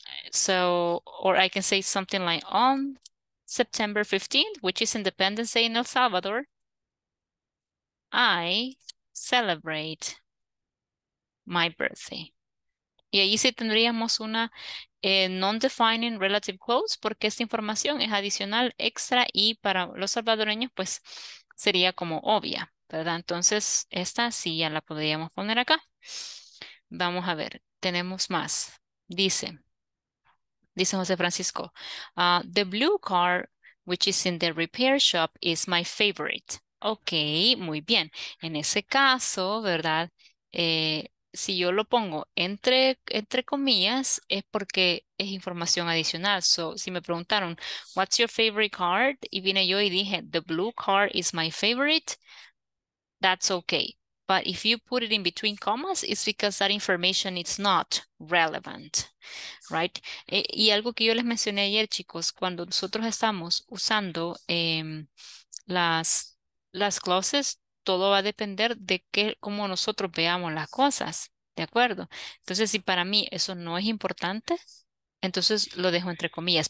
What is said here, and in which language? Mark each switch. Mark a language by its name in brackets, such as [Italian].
[English] So, or I can say something like, on September 15th, which is Independence Day in El Salvador, I celebrate my birthday. [Spanish] Y ahí sí tendríamos una non-defining relative clause, porque esta información es adicional, extra, y para los salvadoreños, pues, sería como obvia, ¿verdad? Entonces, esta sí ya la podríamos poner acá. Vamos a ver, tenemos más. [English] Dice José Francisco, the blue car, which is in the repair shop, is my favorite. [Spanish] Ok, muy bien. En ese caso, ¿verdad? Si yo lo pongo entre comillas, es porque es información adicional. [English] So, [Spanish] si me preguntaron, [English] what's your favorite car? [Spanish] Y vine yo y dije, [English] the blue car is my favorite. That's okay. But if you put it in between commas, it's because that information is not relevant, right? [Spanish] Y algo que yo les mencioné ayer, chicos, cuando nosotros estamos usando las clauses, todo va a depender de cómo nosotros veamos las cosas, ¿de acuerdo? Entonces, si para mí eso no es importante, entonces lo dejo entre comillas.